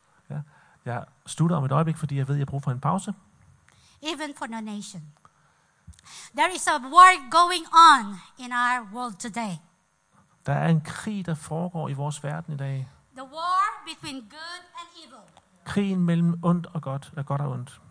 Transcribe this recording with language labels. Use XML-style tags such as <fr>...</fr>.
<da>Ja, jeg slutter om et øjeblik, fordi jeg ved, jeg bruger for en pause.</da> <en>Even for the nation, there is a war going on in our world today.</en> <da>Der er en krig, der foregår i vores verden i dag.</da> <en>The war between good and evil.</en> <da>Krigen mellem ondt og godt, eller godt og ondt.</da>